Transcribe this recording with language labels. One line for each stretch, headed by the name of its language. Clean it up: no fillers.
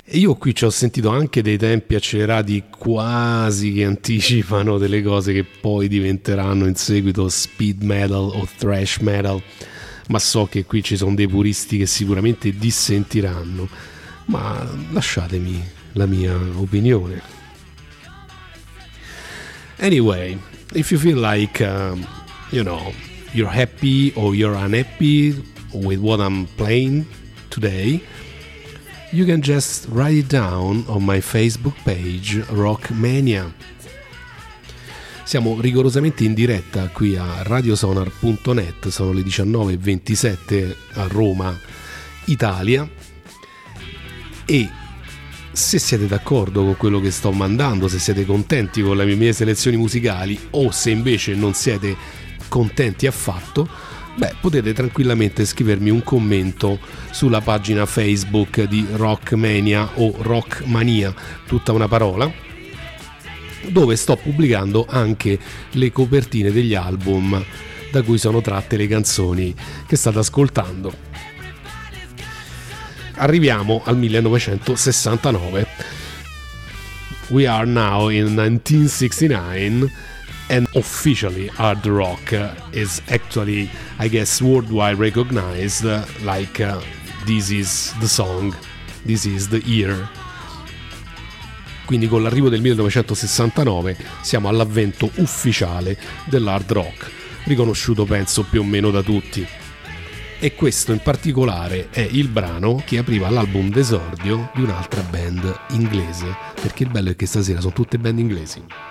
Italian: E io qui ci ho sentito anche dei tempi accelerati, quasi che anticipano delle cose che poi diventeranno in seguito speed metal o thrash metal, ma so che qui ci sono dei puristi che sicuramente dissentiranno, ma lasciatemi la mia opinione.
English: Anyway, if you feel like you know, you're happy or you're unhappy with what I'm playing today, you can just write it down on my Facebook page, Rockmania.
Italian: Siamo rigorosamente in diretta qui a radiosonar.net, sono le 19:27 a Roma, Italia, e se siete d'accordo con quello che sto mandando, se siete contenti con le mie selezioni musicali, o se invece non siete contenti affatto, beh, potete tranquillamente scrivermi un commento sulla pagina Facebook di Rockmania o Rockmania, tutta una parola, dove sto pubblicando anche le copertine degli album da cui sono tratte le canzoni che state ascoltando. Arriviamo al 1969.
English: We are now in 1969. And officially hard rock is actually, I guess, worldwide recognized, like this is the song, this is the year.
Italian: Quindi con l'arrivo del 1969 siamo all'avvento ufficiale dell'hard rock, riconosciuto penso più o meno da tutti. E questo in particolare è il brano che apriva l'album d'esordio di un'altra band inglese, perché il bello è che stasera sono tutte band inglesi.